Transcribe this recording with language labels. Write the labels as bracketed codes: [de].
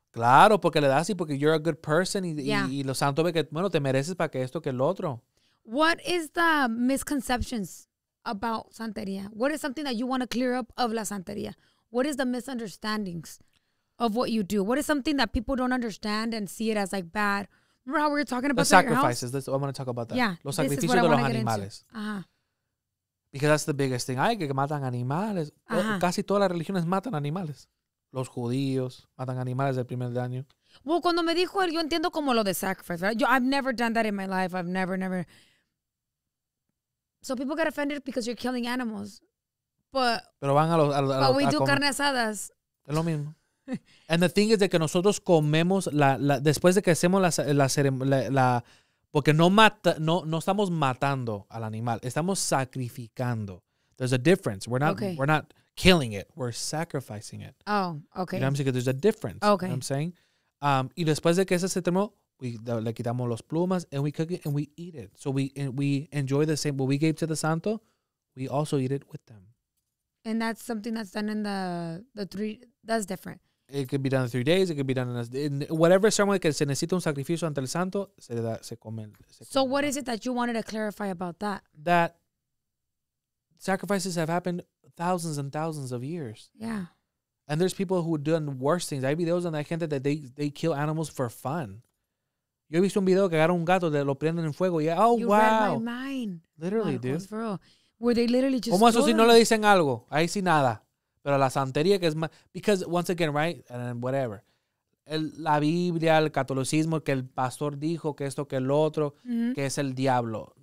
[es] Claro, porque le das y porque [en] you're a good person [es] y los santos ve que, bueno, te mereces para que esto, que el otro. [en] What is the misconceptions about Santería? What is something that you want to clear up of la Santería? What is the misunderstandings of what you do? What is something that people don't understand and see it as like bad? Remember how we were talking about the sacrifices. I want to talk about that. Yeah, [es] los sacrificios de los animales. Uh-huh. [en] Because that's the biggest thing. [es] Ay, que matan animales. [en] Uh-huh. [es] Casi todas las religiones matan animales. Los judíos matan animales del primer año. Well, cuando me dijo él, yo entiendo como lo de sacrifice, right? [en] I've never done that in my life. I've never. So people get offended because you're killing animals. But we do [es] carne asadas. Es lo mismo. [en] And the thing is that [es] que nosotros comemos la después de que hacemos la porque no estamos matando al animal. Estamos sacrificando. [en] There's a difference. We're not killing it. We're sacrificing it. Oh, okay. You know what I'm saying? There's a difference. Okay. You know what I'm saying? [es] Y después de que ese se terminó, le quitamos los plumas, [en] and we cook it, and we eat it. So we enjoy the same. What we gave to the santo, we also eat it with them. And that's something that's done in the three, that's different. It could be done in 3 days. It could be done in whatever ceremony [es] que se necesita un sacrificio ante el santo, se come. [en] So what is it that you wanted to clarify about that? That sacrifices have happened thousands and thousands of years. Yeah. And there's people who have done worse things. [es] Hay videos donde hay gente [en] that they kill animals for fun. [es] Yo he visto un video que agarra un gato, lo prenden en fuego. [en] Yeah. Oh, you wow. You read my mind. Literally, dude. For real. Where they literally just... [es] ¿Cómo eso si no le dicen algo? Ahí sí nada. Pero la santería que es más... [en] Because, once again, right? And then whatever. [es] La Biblia, el catolicismo, que el pastor dijo que esto, que el otro, que es el diablo.